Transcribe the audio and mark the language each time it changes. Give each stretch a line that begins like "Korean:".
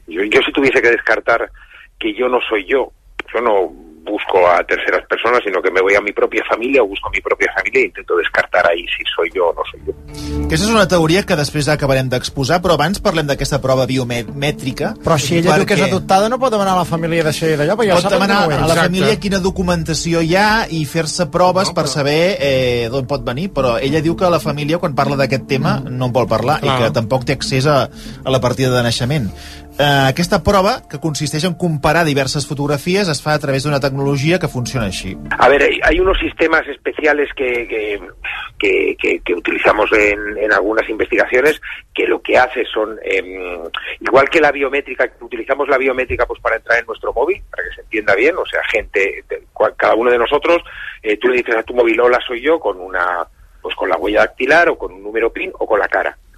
Spanish: Yo si tuviese que descartar que yo no soy yo, yo no busco a terceras personas, sino que me voy a mi propia familia o busco a mi propia familia e intento descartar ahí si soy yo o no soy yo.
Catalan: Aquesta és una teoria que després acabarem d'exposar, però abans parlem d'aquesta prova biomètrica. Però si ella diu que és adoptada, no pot demanar a la família de ser d'allò? Pot demanar a la família quina documentació hi ha i fer-se proves per saber d'on pot venir, però ella diu que la família, quan parla d'aquest tema, no en vol parlar i que tampoc té accés a la partida de naixement. Aquesta prova, que consisteix en comparar diverses fotografies, es fa a través d'una tecnologia que funciona així.
Spanish: A ver, hay unos sistemas especiales que utilizamos en algunas investigaciones, que lo que hace son, igual que la biométrica, utilizamos la biométrica pues para entrar en nuestro móvil, para que se entienda bien, o sea, cada uno de nosotros, tú le dices a tu móvil, hola, soy yo, con la huella dactilar o con un número PIN o con la cara.